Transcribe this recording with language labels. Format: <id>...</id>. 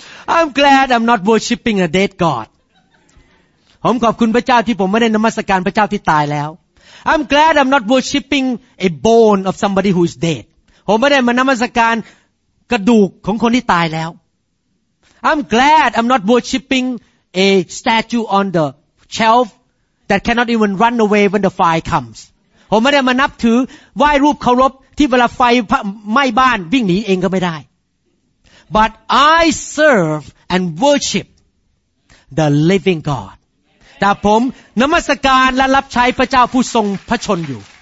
<en>I'm glad I'm not worshiping a dead God.</en> <th>ผมขอบคุณพระเจ้าที่ผมไม่ได้นมัสการพระเจ้าที่ตายแล้ว</th> <en>I'm glad I'm not worshiping a bone of somebody who is dead.</en> <th>ผมไม่ได้มานมัสการกระดูกของคนที่ตายแล้ว</th> <en>I'm glad I'm not worshiping a statue on the shelf that cannot even run away when the fire comes.</en> <th>ผมไม่ได้มานับถือไหว้รูปเคารพที่เวลาไฟไหม้บ้านวิ่งหนีเองก็ไม่ได้</th> <en>But I serve and worship the living God</en> <th>แต่ผมนมัสการและรับใช้พระเจ้าผู้ทรงพระชนอยู่</th>